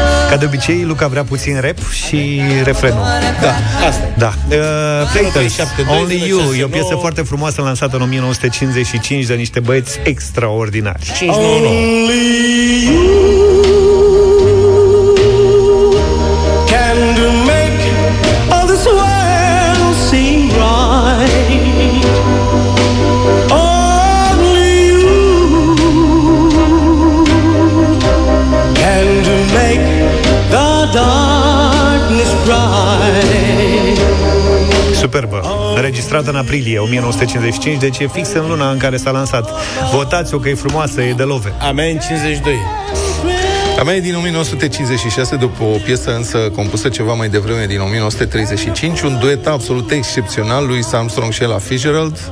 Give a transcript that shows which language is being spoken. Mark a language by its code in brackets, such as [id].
[ro] Ca de obicei, Luca vrea puțin rap și refrenul. Da, asta. Da. Fakers, Only You, e o piesă foarte frumoasă lansată în 1955 de niște băieți extraordinari. [en] Only you can do make all this world seem right. Only you can do make darkness bright. [ro] Superbă. Înregistrată în aprilie 1955, deci e fix în luna în care s-a lansat. Votați-o că e frumoasă, e de love. A mea e în 52. A mea e din 1956, după o piesă însă compusă ceva mai devreme, din 1935, un duet absolut excepțional, Louis Armstrong și Ella Fitzgerald.